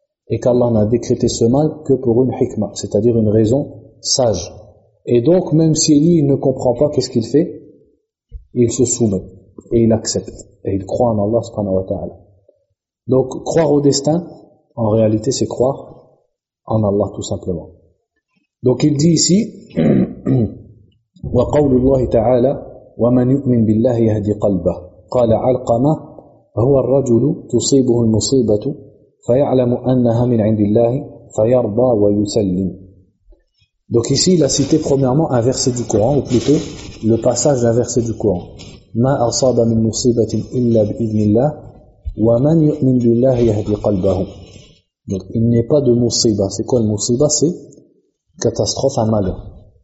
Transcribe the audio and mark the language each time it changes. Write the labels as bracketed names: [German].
[French] Et qu'Allah n'a décrété ce mal que pour une hikma, c'est-à-dire une raison sage. Et donc, même si lui, il ne comprend pas, qu'est-ce qu'il fait? Il se soumet. Et il accepte. Et il croit en Allah, subhanahu wa ta'ala. Donc, croire au destin, en réalité, c'est croire en Allah, tout simplement. Donc, il dit ici, [Arabic] وَقَوْلُ اللَّهِ تَعَالَى وَمَنْ يُؤْمِنْ بِاللَّهِ يَهْدِ قَلْبَهُ قَالَ عَلْقَمَا هُوَ الرَّجُلُ تُصِيبُهُ الْمُصِيبَةُ فَيَعْلَمُ أَنَّهَا مِنْ عِنْدِ اللَّهِ فَيَرْضَى وَيُسَلِّمُ. [French] Donc ici, il a cité premièrement un verset du Coran, ou plutôt le passage d'un verset du Coran. [Arabic] مَا أَصَابَ مِنْ مُصِيبَةٍ إِلَّا بِإِذْنِ اللَّهِ وَمَنْ يُؤْمِنْ بِاللَّهِ يَهْدِ قَلْبَهُ. [French] Donc il n'est pas de musiba. C'est quoi le musiba? C'est catastrophe, un malheur.